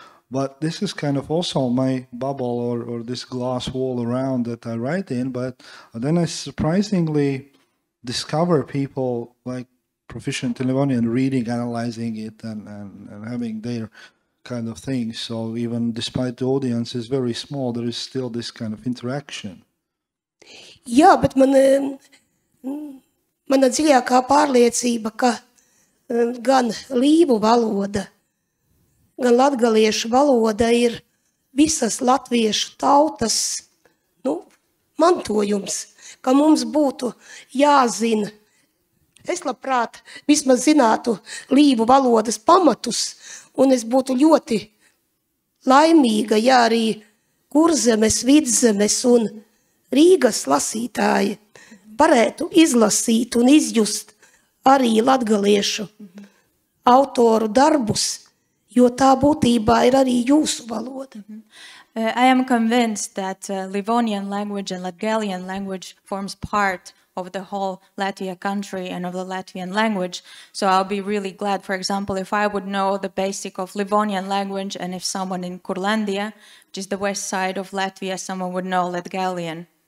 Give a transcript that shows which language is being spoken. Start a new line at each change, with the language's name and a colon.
English: But this is kind of also my bubble or this glass wall around that I write in. But then I surprisingly discover people like proficient in Livonian reading, analyzing it and having their kind of thing. So even despite the audience is very small, there is still this kind of interaction.
Latvian: Jā, bet mana dziļākā pārliecība, ka gan līvu valoda, gan latgaliešu valoda ir visas latviešu tautas mantojums, ka mums būtu jāzina Es labprāt vismaz zinātu līvu valodas pamatus, un es būtu ļoti laimīga, ja arī Kurzemes, Vidzemes un Rīgas lasītāji varētu izlasīt un izjust arī latgaliešu autoru darbus, jo tā būtībā ir arī jūsu valoda.
English: I am convinced that Livonian language and Latgalian language forms part of the whole Latvia country and of the Latvian language. So I'll be really glad, for example, if I would know the basic of Livonian language and if someone in Kurlandia, which is the west side of Latvia, someone would know Latgalian.